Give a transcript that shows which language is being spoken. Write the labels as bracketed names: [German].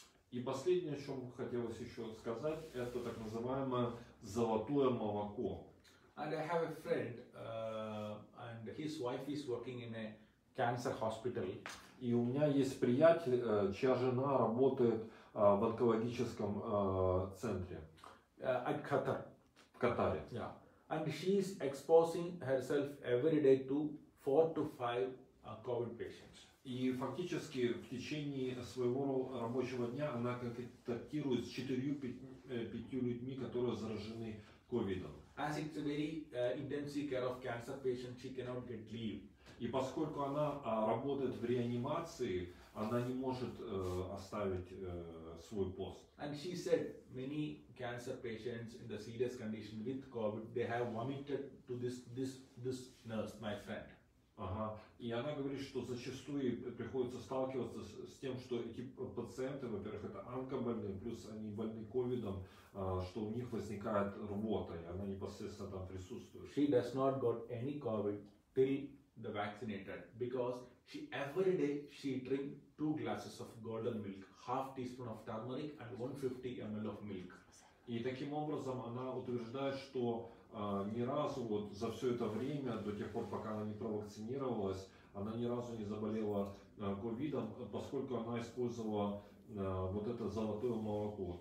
[Russian] И последнее, о чем хотелось еще сказать, это так называемое золотое молоко. [English] And I have a friend, and his wife is working in a cancer hospital. [Russian] И у меня есть приятель, чья жена работает в онкологическом центре. [English] At Qatar. [Russian] В Катаре. [English] Yeah. And she is exposing herself every day to 4 to 5 COVID patients. [Russian] И фактически в течение своего рабочего дня она контактирует с 4-5 людьми, которые заражены COVID-ом. [English] As it's a very intensive care of cancer patients, she cannot get leave. [Russian] И поскольку она работает в реанимации, она не может оставить свой пост. [English] And she said many cancer patients in the serious condition with COVID, they have vomited to this nurse, my friend. [Russian] Ага. И она говорит, что зачастую приходится сталкиваться с тем, что эти пациенты, во-первых, это онкобольные, плюс они больны ковидом, что у них возникает рвота, и она непосредственно там присутствует. [English] She does not got any COVID till the vaccinated, because she every day she drink 2 glasses of golden milk, 1/2 teaspoon of turmeric and 150 ml of milk. [Russian] И таким образом она утверждает, что ни разу вот за все это время, до тех пор, пока она не провакцинировалась, она ни разу не заболела ковидом, поскольку она использовала вот это золотое молоко.